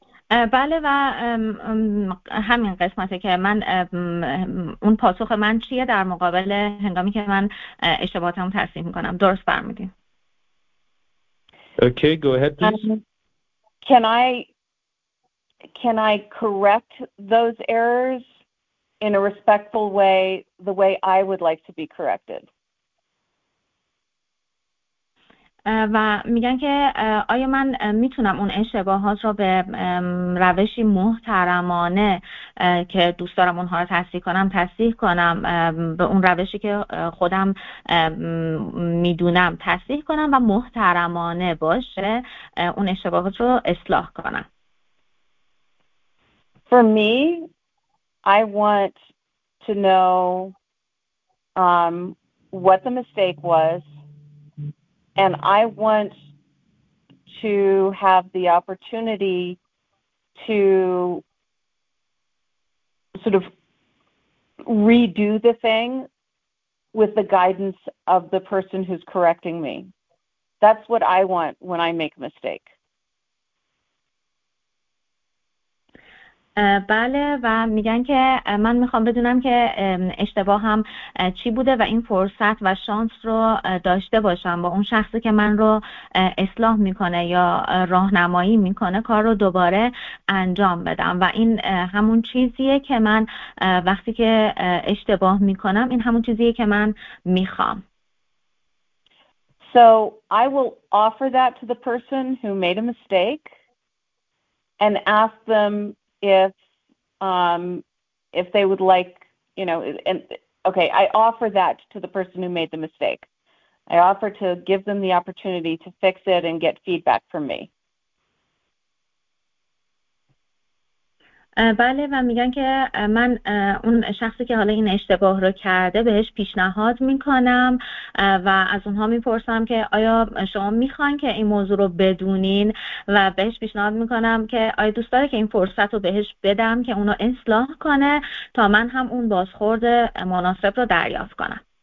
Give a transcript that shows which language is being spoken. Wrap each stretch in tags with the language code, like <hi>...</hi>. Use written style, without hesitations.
<fa>بله، و همین قسمته که من اون پاسخ من چیه در مقابل هنگامی که من اشتباهاتم رو تصحیح میکنم. درست برمیدیم.</fa> <en>Okay, go ahead please. Can I correct those errors in a respectful way, the way I would like to be corrected?</en> <fa>و میگن که آیا من میتونم اون اشتباهات رو به روشی محترمانه که دوست دارم اونها رو تصحیح کنم به اون روشی که خودم میدونم تصحیح کنم و محترمانه باشه اون اشتباهات رو اصلاح کنم.</fa> <en>For me, I want to know what the mistake was. And I want to have the opportunity to sort of redo the thing with the guidance of the person who's correcting me. That's what I want when I make a mistake.</en> <fa>بله، و میگن که من میخوام بدونم که اشتباهم چی بوده و این فرصت و شانس رو داشته باشم با اون شخصی که من رو اصلاح میکنه یا راهنمایی میکنه کار رو دوباره انجام بدم. و این همون چیزیه که من وقتی که اشتباه میکنم، این همون چیزیه که من میخوام.</fa> <en>So I will offer that to the person who made a mistake and ask them if they would like, you know, and okay, I offer that to the person who made the mistake. I offer to give them the opportunity to fix it and get feedback from me.</en> <fa>بله، و میگن که من اون شخصی که حالا این اشتباه رو کرده بهش پیشنهاد میکنم و از اونها میپرسم که آیا شما میخوان که این موضوع رو بدونین، و بهش پیشنهاد میکنم که آیا دوست داره که این فرصت رو بهش بدم که اونو اصلاح کنه تا من هم اون بازخورد مناسب رو دریافت کنم.</fa>